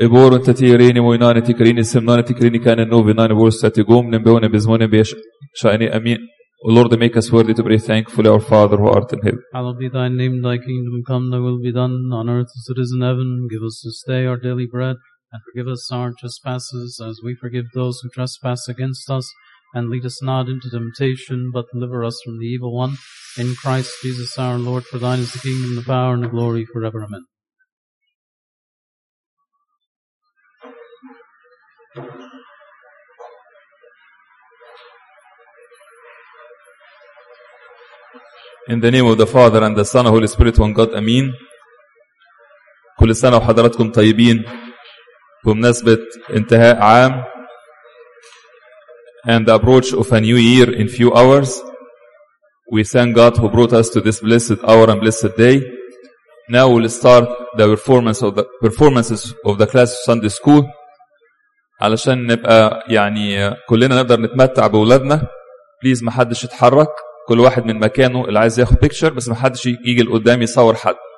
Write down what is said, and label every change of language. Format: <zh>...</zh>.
<en>ابور انت تيريني وينان تكريني سمنان تكريني كان النو بنان بورستي قوم نبون بزمون بيش شاني امين. O Lord, make us worthy to pray thankfully, our Father who art in heaven. Hallowed be thy name, thy kingdom come, thy will be done on earth as it is in heaven. Give us this day our daily bread, and forgive us our trespasses as we forgive those who trespass against us. and lead us not into temptation, but deliver us from the evil one. In Christ Jesus our Lord, for thine is the kingdom, the power, and the glory forever. Amen. In the name of the Father and the Son, Holy Spirit, one God, Amen.</en> <ar>كل سنة وحضراتكم طيبين بمناسبة انتهاء عام</ar> <en>and the approach of a new year in few hours. We thank God who brought us to this blessed hour and blessed day. Now we'll start the performance of the performances of the class of Sunday school</en> <ar>علشان نبقى يعني كلنا نقدر نتمتع بولادنا. Please ما حدش يتحرك, كل واحد من مكانه اللي عايز ياخد بيكتشر, بس ما حدش يجي لقدام يصور حد.</ar>